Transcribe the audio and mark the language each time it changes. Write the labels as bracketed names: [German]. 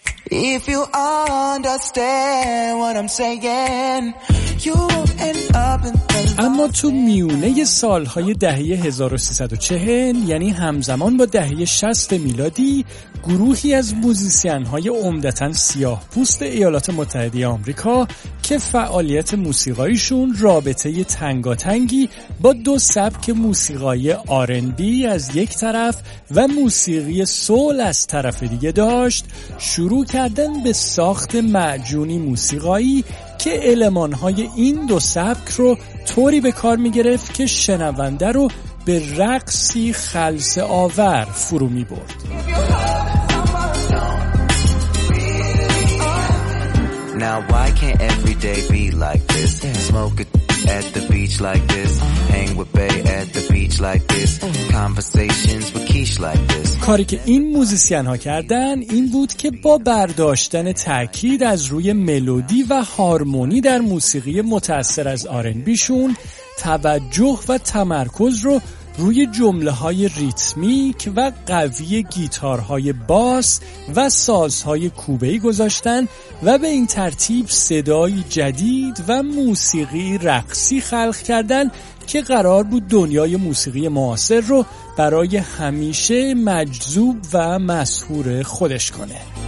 [English] If you understand what I'm saying, you won't end up in the lost. [Persian] اما تو میونه سالهای دهه 1340 یعنی همزمان با دهه 60 میلادی گروهی از موزیسین‌های عمدتاً سیاه پوست ایالات متحده آمریکا که فعالیت موسیقایشون رابطه تنگاتنگی با دو سبک موسیقای آر&بی از یک طرف و موسیقی سول از طرف دیگه داشت، شروع کردن به ساخت معجونی موسیقایی که المان‌های این دو سبک رو طوری به کار می‌گرفت که شنونده رو به رقصی خلص آور فرو می‌برد. [English] Now why can't every day be like this? Smoke at the beach like this. Hang with Bay at the beach like this. Conversations with Keish like this. [Persian] کاری که این موزیسین ها کردن این بود که با برداشتن تاکید از روی ملودی و هارمونی در موسیقی متأثر از آر&بی شون، توجه و تمرکز رو روی جمله‌های ریتمیک و قوی گیتارهای باس و سازهای کوبه‌ای گذاشتن و به این ترتیب صدای جدید و موسیقی رقصی خلق کردن که قرار بود دنیای موسیقی معاصر رو برای همیشه مجذوب و مسحور خودش کنه.